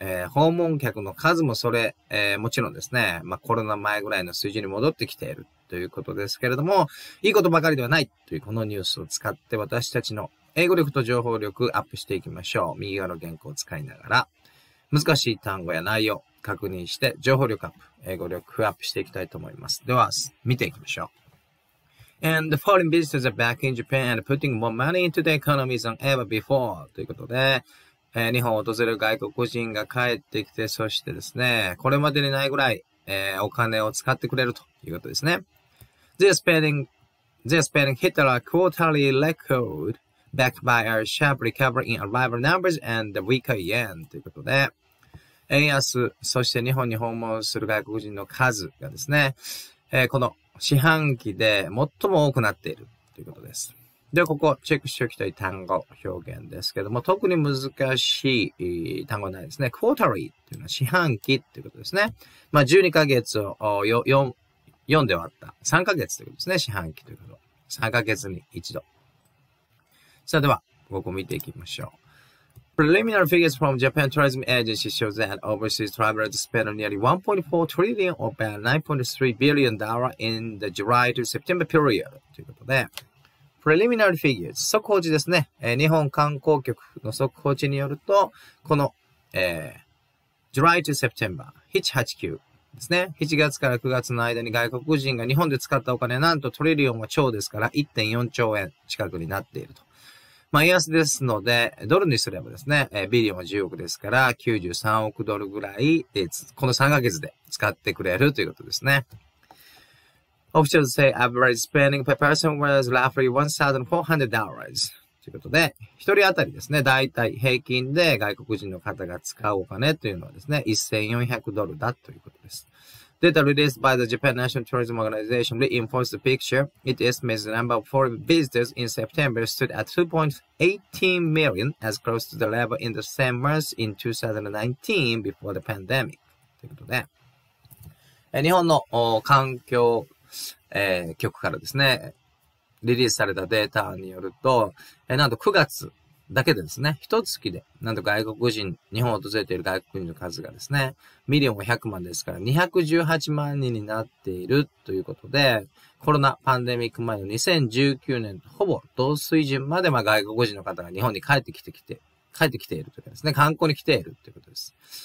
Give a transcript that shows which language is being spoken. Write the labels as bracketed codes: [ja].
[ja] 訪問客の数もそれ、もちろんですね、まあコロナ前ぐらいの水準に戻ってきているということですけれども、いいことばかりではないというこのニュースを使って私たちの英語力と情報力アップしていきましょう。右側の原稿を使いながら。難しい単語や内容、確認して情報力アップ、英語力アップしていきたいと思います。では見ていきましょう。 [en] And the foreign visitors are back in Japan and putting more money into the economy than ever before. [ja] ということで、日本を訪れる外国人が帰ってきて、そしてですね、これまでにないぐらい、お金を使ってくれるということですね。 [en] They're spending hit a quarterly record backed by a sharp recovery in arrival numbers and the weaker yen. [ja] ということで、円安、そして日本に訪問する外国人の数がですね、この四半期で最も多くなっているということです。で、ここチェックしておきたい単語表現ですけども、特に難しい単語はないですね。 quarterly っていうのは四半期っていうことですね。まあ、12ヶ月を4で割った3ヶ月ということですね。四半期ということ。 3ヶ月に一度。さあ、では、ここ見ていきましょう。 [en] Preliminary figures from Japan Tourism Agency show that overseas travelers spent nearly 1.4 trillion or about $9.3 billion in the July to September period. [ja] ということで、 [en] Preliminary figures、 [ja] 速報値ですね。日本観光局の速報値によると、この、 [en] July to September、 [ja] 789ですね。 7月から9月の間に外国人が日本で使ったお金、なんとトリリオンは超ですから 1.4 兆円近くになっていると。まあ、円安ですので、ドルにすればですね、ビリオンは10億ですから、93億ドルぐらい、この3ヶ月で使ってくれるということですね。 [en] Officials say average spending per person was roughly $1,400. [ja] ということで、1人当たりですね、大体平均で外国人の方が使うお金というのはですね、1400ドルだということです。 [en] Data released by the Japan National Tourism Organization reinforced the picture. It estimates the number of foreign visitors in September stood at 2.18 million, as close to the level in the same month in 2019 before the pandemic. [ja] ということで、日本の環境、局からですね、リリースされたデータによると、なんと9月だけでですね、一月で、なんと外国人、日本を訪れている外国人の数がですね、ミリオン500万ですから、218万人になっているということで、コロナパンデミック前の2019年、ほぼ同水準まで、まあ、外国人の方が日本に帰ってきているというかですね、観光に来ているということです。